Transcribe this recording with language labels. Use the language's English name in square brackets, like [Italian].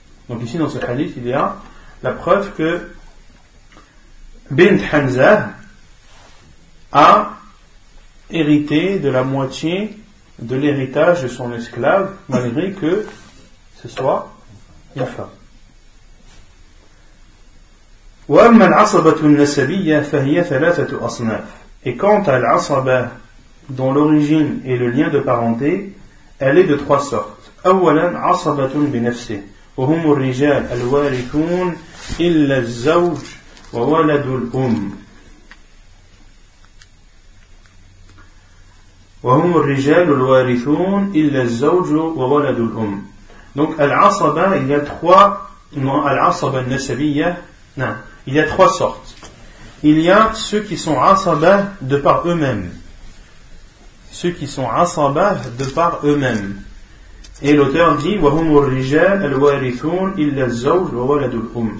[French] Donc ici dans ce hadith, il y a la preuve que Bint Hamza a hérité de la moitié de l'héritage de son esclave, malgré que ce soit la femme. [Arabic] وأما العصبة النسبية فهي ثلاثة أصناف. [French] Et quant à l'asaba, dont l'origine est le lien de parenté, elle est de trois sortes. [Arabic] أولاً عصبة بنفسه وهم الرجال الوارثون إلا الزوج وولد الأم وهم الرجال الوارثون إلا الزوج وولد الأم. [French] Donc العصبة, il y a trois, العصبة النسبية, non, il y a trois sortes. Il y a ceux qui sont عصبة de par eux-mêmes. Ceux qui sont asabah de par eux-mêmes. Et l'auteur dit [Arabic] wahumur rijal al-warithun illa az-zawj wa waladul umm.